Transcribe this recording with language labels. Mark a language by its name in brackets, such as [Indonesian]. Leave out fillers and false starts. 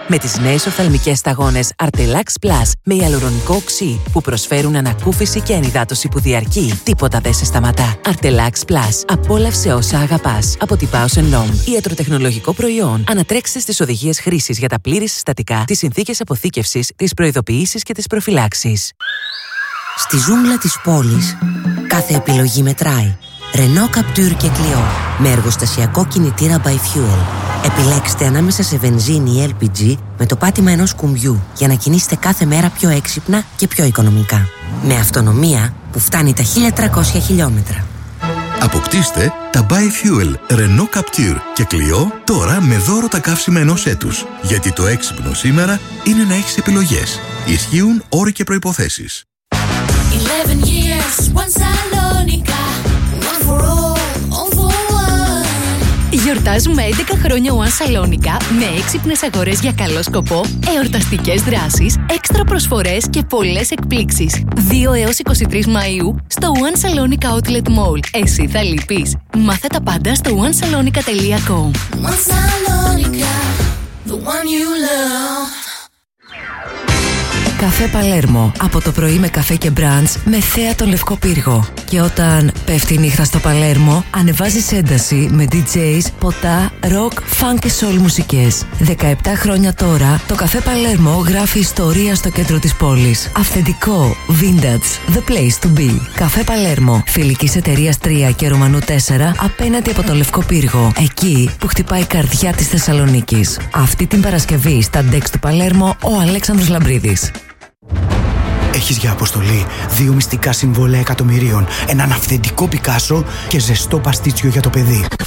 [Greek] Με τις νέες οφθαλμικές σταγόνες Artelax Plus με υαλουρονικό οξύ που προσφέρουν ανακούφιση και ενυδάτωση που διαρκεί, τίποτα δεν σε σταματά. Artelax Plus. Απόλαυσε όσα αγαπάς. Από την Bausch & Lomb, ιατροτεχνολογικό προϊόν. Ανατρέξτε στις οδηγίες χρήσης για τα πλήρη συστατικά, τις συνθήκες αποθήκευσης, τις προειδοποιήσεις και τις προφυλάξεις. Στη ζούγκλα της πόλης, κάθε επιλογή μετράει. Renault Captur και Clio, με εργοστασιακό κινητήρα by Fuel. Επιλέξτε ανάμεσα σε βενζίνη ή LPG με το πάτημα ενός κουμπιού για να κινήσετε κάθε μέρα πιο έξυπνα και πιο οικονομικά. Με αυτονομία που φτάνει τα 1300 χιλιόμετρα. Αποκτήστε τα by Fuel Renault Captur και Clio τώρα με δώρο τα καύσιμα ενός έτους. Γιατί το έξυπνο σήμερα είναι να έχεις επιλογές. Ισχύουν όροι και προϋποθέσεις. [English] 11 years, one Salonica, one for all for one. [Greek] Γιορτάζουμε 11 χρόνια One Salonica με έξυπνες αγορές για καλό σκοπό, εορταστικές δράσεις, έξτρα προσφορές και πολλές εκπλήξεις. 2 έως 23 Μαΐου στο One Salonica Outlet Mall. Εσύ θα λυπείς. Μάθε τα πάντα στο onesalonica.com. [English] One Salonica, the one you love. [Greek] Καφέ Παλέρμο, από το πρωί με καφέ και μπραντς με θέα τον Λευκό Πύργο. Και όταν πέφτει η νύχτα στο Παλέρμο, ανεβάζεις ένταση με DJs, ποτά, rock, funk και soul μουσικές. 17 χρόνια τώρα, το Καφέ Παλέρμο γράφει ιστορία στο κέντρο της πόλης. Αυθεντικό, vintage, [English] the place to be. [Greek] Καφέ Παλέρμο, φιλικής εταιρείας 3 και Ρουμανού 4, απέναντι από τον Λευκό Πύργο, εκεί που χτυπάει η καρδιά της Θεσσαλονίκης. Αυτή την Παρασκευή στα Dex του Παλέρμο, ο Αλέξανδρος Λαμπρίδης. Έχεις για αποστολή δύο μυστικά συμβόλαια εκατομμυρίων, έναν αυθεντικό Πικάσο και ζεστό παστίτσιο για το παιδί.